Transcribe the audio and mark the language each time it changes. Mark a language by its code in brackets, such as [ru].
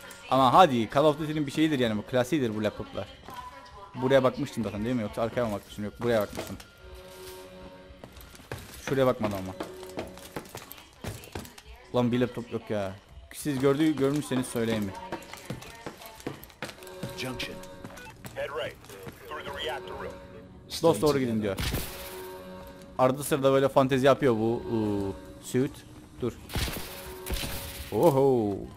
[tr] Ama hadi, Call of Duty'nin bir şeyidir yani bu. Klasidir bu laptoplar. Buraya bakmıştım zaten değil mi? Yoksa arkaya mı bakmıştım? Yok, buraya bakmıştım. Şuraya bakmadım ama. Lan bir laptop yok ya. Siz görmüşseniz söyleyin mi? [en] Junction. Head right through the reactor room. [tr] Dost doğru gidin diyor. Arada sırada böyle fantezi yapıyor bu suit. Dur. Oho.